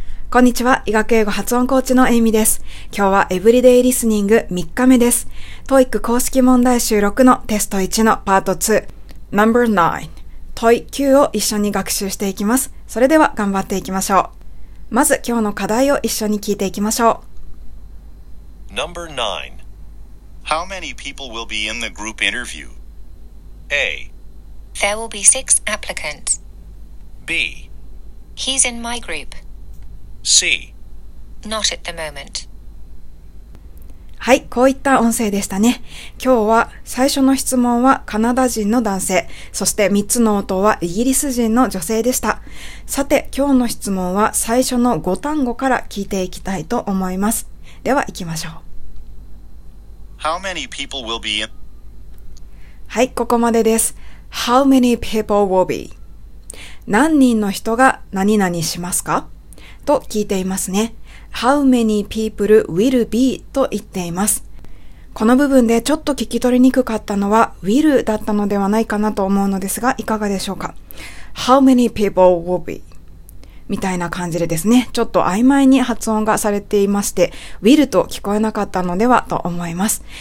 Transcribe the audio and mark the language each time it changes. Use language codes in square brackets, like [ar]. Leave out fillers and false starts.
[ja] こんにちは、医学英語発音コーチのエイミです。今日はエブリデイリスニング3日目です。 TOEIC 公式問題集6のテスト1のパート2 No.9 TOEIC 9を一緒に学習していきます。それでは頑張っていきましょう。まず今日の課題を一緒に聞いていきましょう。 [en] No.9 How many people will be in the group interview? A. There will be 6 applicants. B. He's in my group C. Not at the moment. [ja] はい、こういった音声でしたね。今日は最初の質問はカナダ人の男性、そして3つの音はイギリス人の女性でした。さて今日の質問は最初の5単語から聞いていきたいと思います。では行きましょう。 [en] How many people will be in? [ja] はい、ここまでです。 [en] How many people will be? [ja] 何人の人が何々しますかと聞いていますね。 [en] How many people will be [ja] と言っています。この部分でちょっと聞き取りにくかったのは will だったのではないかなと思うのですが、いかがでしょうか。 [en] How many people will be [ja] みたいな感じでですね、ちょっと曖昧に発音がされていまして will と聞こえなかったのではと思います。